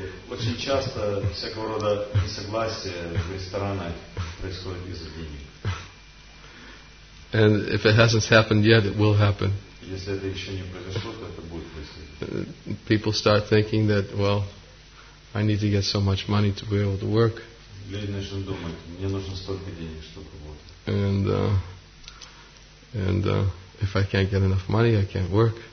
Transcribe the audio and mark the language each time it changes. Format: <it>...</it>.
<ru>Очень часто всякого рода несогласия в ресторанах происходит из-за денег.</ru> <en>And if it hasn't happened yet, it will happen.</en> <ru>Если это еще не произошло, то это будет происходить.</ru> <en>People start thinking that, well, I need to get so much money to be able to work.</en> <ru>Люди начнут думать, мне нужно столько денег, чтобы работать.</ru> <en>And if I can't get enough money, I can't work.</en>